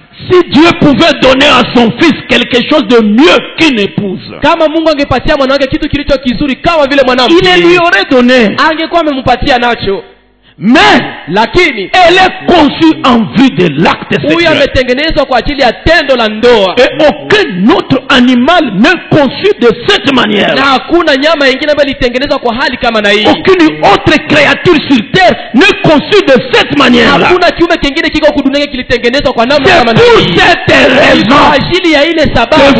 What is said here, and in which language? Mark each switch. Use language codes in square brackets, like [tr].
[fr] Si Dieu pouvait donner à son fils quelque chose de mieux qu'une épouse. [sw] Kama Mungu angepatia mwanamke kitu kilicho kizuri kama vile mwanamke. [fr] Il lui aurait donné. [sw] Angekuwa amempatia nacho. [fr] Mais [sw] lakini [fr] elle est conçue en vue de l'acte sexuel. [sw] Huyo ametengenezwa kwa ajili ya tendo la ndoa. [fr] Et aucun autre animal n'est conçu de cette manière. [sw] Na hakuna nyama nyingine ambayo ilitengenezwa kwa hali kama na hii. [fr] Aucune autre créature sur terre n'est conçue de cette manière. [sw] Hakuna kiumbe kingine kiko kudunenge kilitengenezwa kwa namna kama na hii. [fr] Pour cette raison. [sw] Kwa ajili ya ile sababu.